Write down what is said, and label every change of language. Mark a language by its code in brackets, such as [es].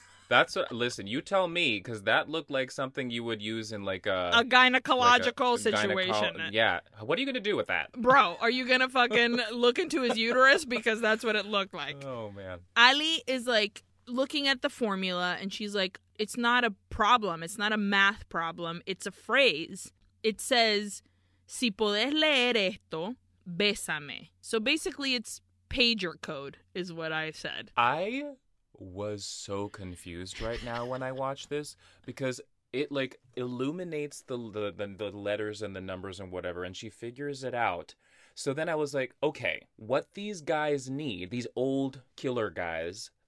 [en] That's what, listen, you tell me, because that looked like something you would use in like a... a gynecological like a situation. Yeah. What are you going to do with that? Bro, are you going to fucking look into his uterus? Because that's what it looked like. Oh, man. Ali is like looking at the formula and she's like, it's not a problem. It's not a math problem. It's a phrase. It says, [es] si puedes leer esto, bésame. [en] So basically it's pager code is what I said. I was so confused right now when I watched this, because it like illuminates the letters and the numbers and whatever, and she figures it out. So then I was like, okay, what these guys need, these old killer guys,